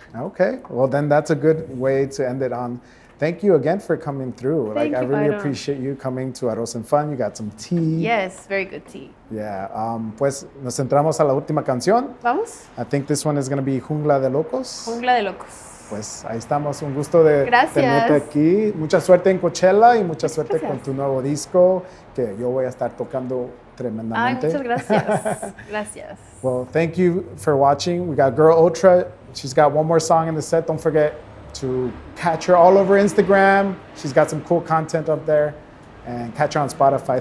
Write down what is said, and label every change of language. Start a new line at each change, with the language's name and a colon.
English: Okay, well then that's a good way to end it on. Thank you again for coming through. Thank like you, I really appreciate you coming to Arroz and Fun. You got some tea. Yes, very good tea. Yeah.
Spanish: Pues nos centramos a la última canción. Vamos.
English: I think this one is going to be Jungla de Locos.
Spanish: Jungla de Locos. Pues ahí estamos, un gusto de tenerte aquí. Mucha suerte en Coachella y mucha suerte con tu nuevo disco que yo voy a estar tocando tremendamente. Ay, muchas gracias. Gracias.
English: Well, thank you for watching. We got Girl Ultra. She's got one more song in the set. Don't forget to catch her all over Instagram. She's got some cool content up there and catch her on Spotify.